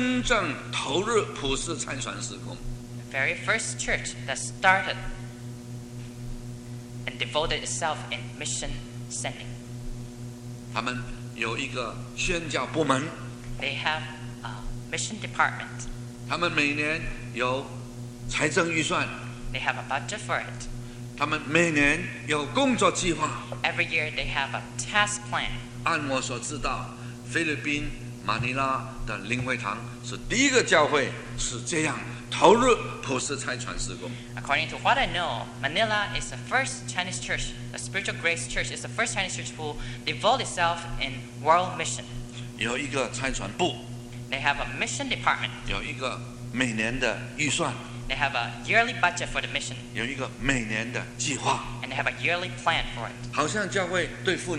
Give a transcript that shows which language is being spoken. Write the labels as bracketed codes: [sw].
[zh] 历史上第一个华人教会真正投入普世参船施工。 [en] The very first church that started and devoted itself in mission sending. [zh] 他们有一个宣教部门。 [en] They have a mission department. [zh] 他们每年有财政预算。 [en] They have a budget for it. [zh] 他们每年有工作计划。 [en] Every year they have a task plan. [zh] 按我所知道, 菲律宾, 马尼拉的灵会堂是第一个教会是这样投入普世参船施工。 [en] According to what I know, Manila is the first Chinese church, the Spiritual Grace Church is the first Chinese church who devote itself in world mission. [zh] 有一个参船部。 [en] They have a mission department. [zh] 有一个每年的预算。 [en] They have a yearly budget for the mission. And they have a yearly plan for it.